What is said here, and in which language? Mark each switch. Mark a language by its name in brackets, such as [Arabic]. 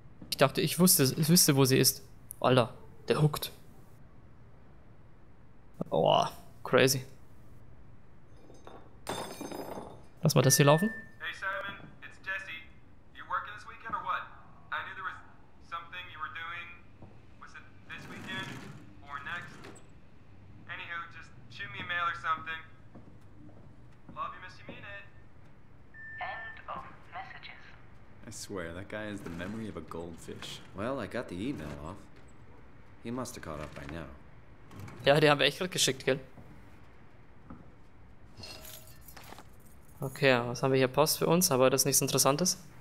[German] Ich dachte, ich wüsste, wo sie ist. Alter, der hookt. [English] Oh, crazy. [German] Lass mal das hier laufen. [English] Hey Simon, it's Jesse. You working this weekend or what? I knew there was something you were doing. Was it this weekend or next? Anywho, just shoot me a mail or something. Love you, miss you, mean it. End of messages. I swear, that guy has the memory of a goldfish. Well, I got the email off. He must have caught up by now. [German] Ja, die haben wir echt gerade geschickt, gell? Okay, was haben wir hier? Post für uns, aber das ist nichts Interessantes.